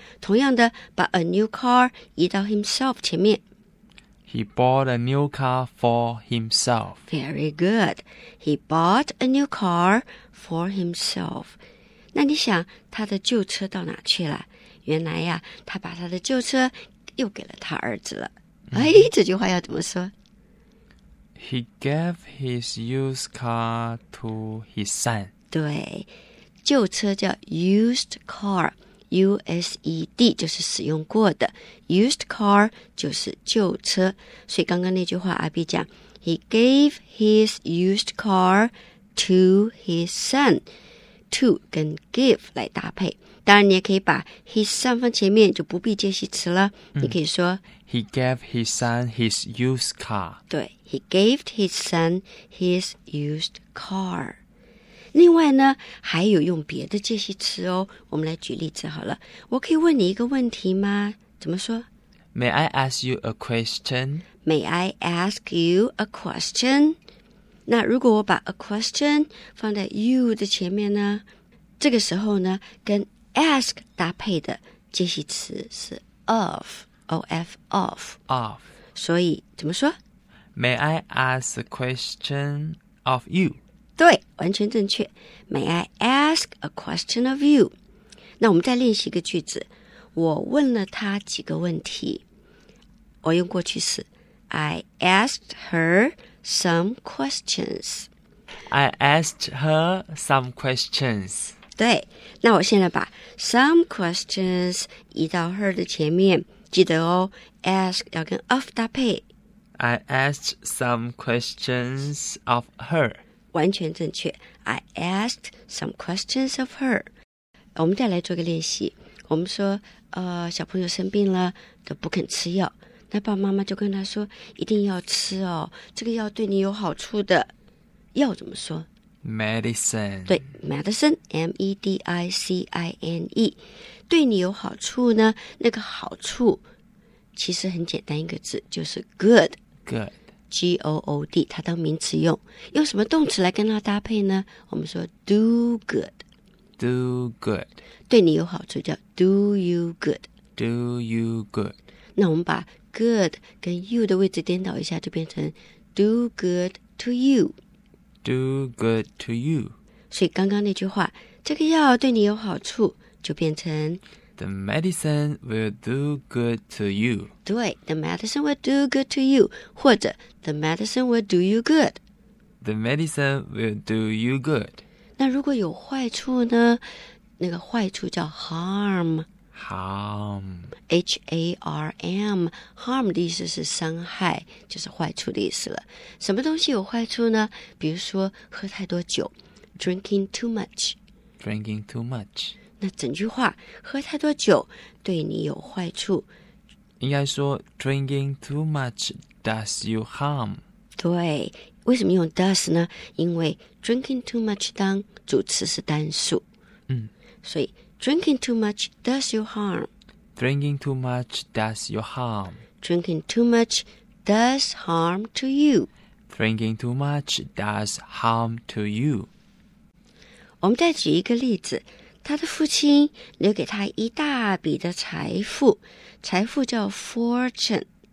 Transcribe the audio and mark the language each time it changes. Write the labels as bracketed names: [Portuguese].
[Chinese] 同样的，把 a new car 移到 himself 前面。 [English] He bought a new car for himself. Very good. He bought a new car for himself. [Chinese] 那你想他的旧车到哪去了？原来呀，他把他的旧车又给了他儿子了。哎，这句话要怎么说？ [English] He gave his used car to his son. [Chinese] 对，旧车叫 used car。 used 就是使用过的， used car 就是旧车，所以刚刚那句话阿B讲 [English] He gave his used car to his son， [Chinese] to 跟 give 来搭配。当然你也可以把 his son 放前面就不必介系词了，你可以说 [English] He gave his son his used car。对， He gave his son his used car。 [Chinese] 另外呢还有用别的介系词哦，我们来举例子好了。我可以问你一个问题吗？怎么说？ [English] May I ask you a question? May I ask you a question? [Chinese] 那如果我把 a question 放在 you 的前面呢，这个时候呢跟 ask 搭配的介系词是 of， O-F， of， [English] of， [Chinese] 所以怎么说？ [English] May I ask a question of you? [Chinese] 对，完全正确。 [English] May I ask a question of you? [Chinese] 那我们再练习一个句子。我问了她几个问题。我用过去式。 [English] I asked her some questions. I asked her some questions. [Chinese] 对，那我现在把 some questions 移到 her 的前面。记得哦， ask 要跟 of 搭配。 [English] I asked some questions of her. [Chinese] 完全正确。 [English] I asked some questions of her. [Chinese] 我们再来做个练习。我们说，小朋友生病了都不肯吃药，那爸爸妈妈就跟他说，一定要吃哦，这个药对你有好处的。药怎么说？ [English] Medicine. 对 ,medicine, M-E-D-I-C-I-N-E. [Chinese] 对你有好处呢，那个好处其实很简单一个字，就是 good。 [English] good。 [Chinese] G-O-O-D, 它当名词用。用什么动词来跟它搭配呢？我们说 do good。 [English] do good。 [Chinese] 对你有好处叫 [English] do you good。 do you good。 [Chinese] 那我们把 good 跟 you 的位置颠倒一下，就变成 [English] do good to you。 Do good to you. [Chinese] 所以刚刚那句话，这个药对你有好处，就变成 [English] The medicine will do good to you. 对 ,The medicine will do good to you. 或者 ,The medicine will do you good. The medicine will do you good. [Chinese] 那如果有坏处呢？那个坏处叫 harm. [English] Harm. H-A-R-M. [Chinese] Harm 的意思是伤害，就是坏处的意思了。什么东西有坏处呢？比如说喝太多酒， [English] drinking too much. Drinking too much. [Chinese] 那整句话，喝太多酒对你有坏处。应该说 [English] drinking too much does you harm. [Chinese] 对，为什么用 does 呢？因为 [English] drinking too much [Chinese] 当主词是单数。 [English] 所以Drinking too much does you harm. Drinking too much does you harm. Drinking too much does harm to you. Drinking too much does harm to you. [Chinese] 我们再举一个例子，他的父亲留给他一大笔的财富，财富叫 fortune.